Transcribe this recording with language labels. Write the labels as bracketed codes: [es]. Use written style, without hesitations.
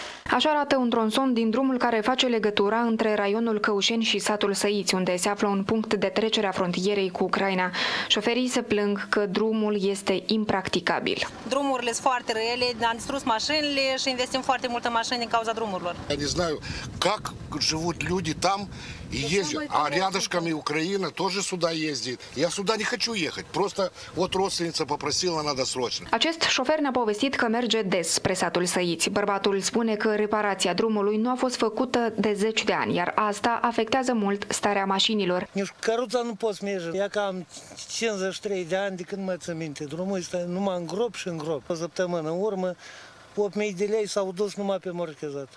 [ro] Așa arată un tronson din drumul care face legătura între raionul Căușeni și satul Săiți, unde se află un punct de trecere a frontierei cu Ucraina. Șoferii se plâng că drumul este impracticabil. Drumurile sunt foarte rele, am distrus mașinile și investim foarte multe mașini din cauza drumurilor. [ru] Не знаю, как живут люди там. Ездят. А рядышком и Украина тоже сюда ездит. Я сюда не хочу ехать. Просто вот родственница попросила, надо срочно. [ro] Acest șofer ne-a povestit că merge des spre satul Săiți. Bărbatul spune că reparația drumului nu a fost făcută de 10 de ani, iar asta afectează mult starea mașinilor. Nici căruța nu poți merge. Eu cam 53 de ani de când mă țin minte. Drumul este numai în grob și în grob. O săptămână în urmă, 8.000 de lei s-au dus numai pe morchezat.